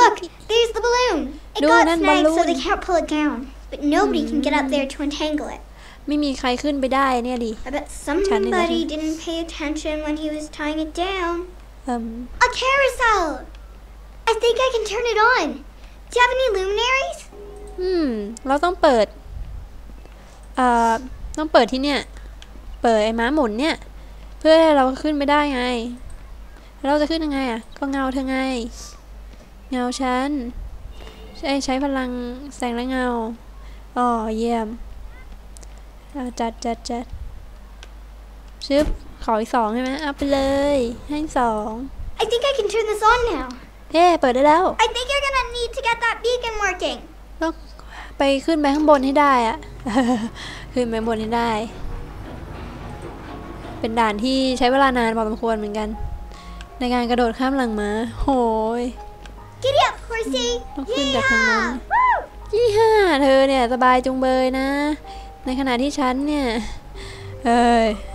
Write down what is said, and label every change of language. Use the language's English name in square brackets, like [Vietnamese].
[English] Look there's the balloon It got snagged so they can't pull it down but nobody can get up there to untangle it [Thai] ไม่มีใครขึ้นไปได้เนี่ยดิ [English] But somebody didn't pay attention when he was tying it down A carousel I think I can turn it on Do you have any luminaries [Thai] เราต้องเปิดต้องเปิดที่เนี่ยเปิดไอ้ม้าหมุนเนี่ยเพื่อให้เราขึ้นไม่ได้ไงเราจะขึ้นยังไงอ่ะก็เงาเธอไงเงาฉันใช้พลังแสงและเงาอ๋อเยี่ยมจัดชึบขออีก2ใช่มั้ยเอาไปเลยให้2 [English] I think I can turn this on now [Thai] เฮ้เปิดได้แล้ว [English] I think you're gonna need to get that beacon working [Thai] ต้องไปขึ้นไปข้างบนให้ได้อ่ะขึ้นไปบนให้ได้เป็นด่านที่ใช้เวลานานพอสมควรเหมือนกันในการกระโดดข้ามหลังม้าโหย [English] Giddy up horsey [Thai] ต้องขึ้นจากข้างบนยี่ห้าเธอเนี่ยสบายจุงเบยนะในขณะที่ฉันเนี่ยเอ้ย